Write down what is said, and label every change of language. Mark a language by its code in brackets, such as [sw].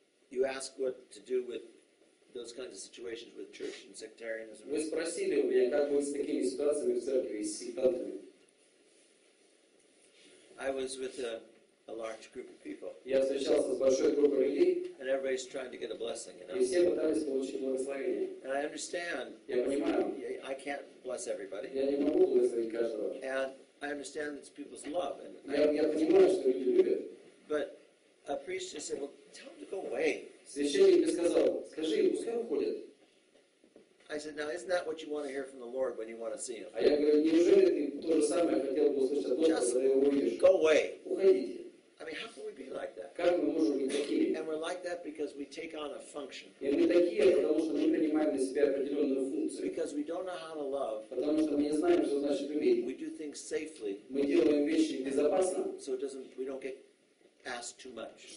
[en] You ask what to do with those kinds of situations with church and sectarianism. [ru] Вы спросили у меня, как быть с такими ситуациями в церкви и с сектантами. [en] I was with a large group of people. [ru] Я встречался с большой группой людей. [en] And everybody's trying to get a blessing, you know. [ru] И все пытались получить благословение. [en] And I understand. [ru] Я понимаю. [en] I can't bless everybody. [ru] Я не могу благословить каждого. [en] And I understand it's people's love. And [ru] я понимаю, что люди любят. [en] But a priest just said, well, tell him to go away. [ru] Священник сказал, скажи ему, пускай уходит. [en] I said, now isn't that what you want to hear from the Lord when you want to see him? [ru] А я говорю, неужели ты то же самое хотел бы услышать от Господа, когда его увидишь? [en] Go away. [ru] Уходите. [en] I mean, how can we be like that? [ru] Как мы можем быть такими? [en] And we're like that because we take on a function. [ru] И мы такие, потому что мы принимаем на себя определенную функцию. [en] Because we don't know how to love. [ru] Потому что мы не знаем, что значит любить. [en] We do things safely. [ru] Мы делаем вещи безопасно. [en] So it doesn't, we don't get ask too much.